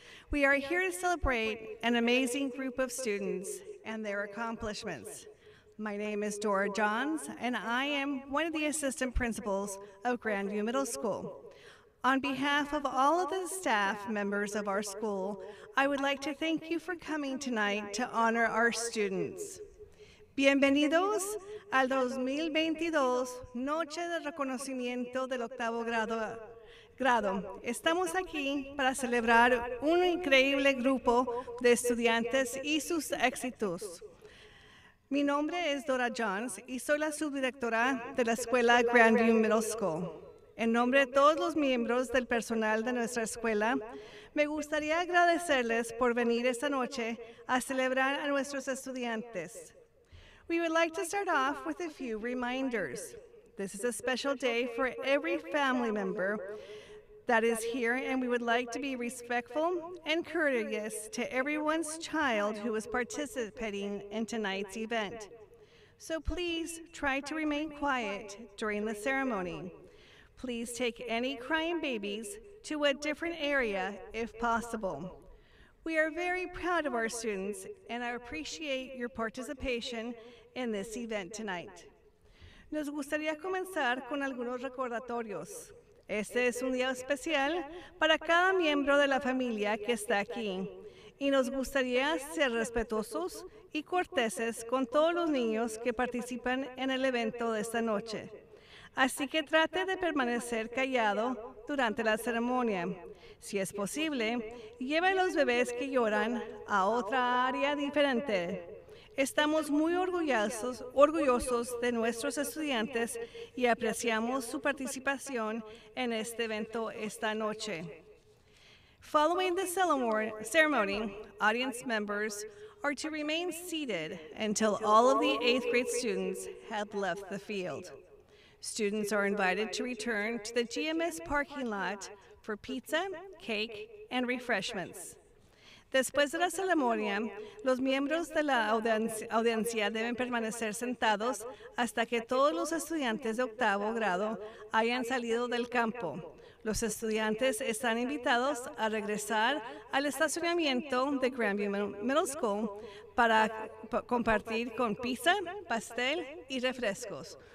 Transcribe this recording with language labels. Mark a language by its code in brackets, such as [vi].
[en] We are here to celebrate an amazing group of students and their accomplishments. My name is Dora Johns, and I am one of the assistant principals of Grandview Middle School. On behalf of all of the staff members of our school, I would like to thank you for coming tonight to honor our students. [es] Bienvenidos al 2022 Noche de Reconocimiento del Octavo Grado. Estamos aquí para celebrar un increíble grupo de estudiantes y sus éxitos. Mi nombre es Dora Johns y soy la subdirectora de la escuela Grandview Middle School. En nombre de todos los miembros del personal de nuestra escuela, me gustaría agradecerles por venir esta noche a celebrar a nuestros estudiantes. [en] We would like to start off with a few reminders. This is a special day for every family member that is here, and we would like to be respectful and courteous to everyone's child who is participating in tonight's event. So please try to remain quiet during the ceremony. Please take any crying babies to a different area if possible. We are very proud of our students, and I appreciate your participation in this event tonight. [es] Nos gustaría comenzar con algunos recordatorios. Este es un día especial para cada miembro de la familia que está aquí, y nos gustaría ser respetuosos y corteses con todos los niños que participan en el evento de esta noche. Así que trate de permanecer callado durante la ceremonia. Si es posible, lleve a los bebés que lloran a otra área diferente. Estamos muy orgullosos de nuestros estudiantes y apreciamos su participación en este evento esta noche. [en] Following the ceremony, audience members are to remain seated until all of the 8th grade students have left the field. Students are invited to return to the GMS parking lot for pizza, cake, and refreshments. [es] Después de la ceremonia, los miembros de la audiencia deben permanecer sentados hasta que todos los estudiantes de octavo grado hayan salido del campo. Los estudiantes están invitados a regresar al estacionamiento de Grandview Middle School para compartir con pizza, pastel y refrescos.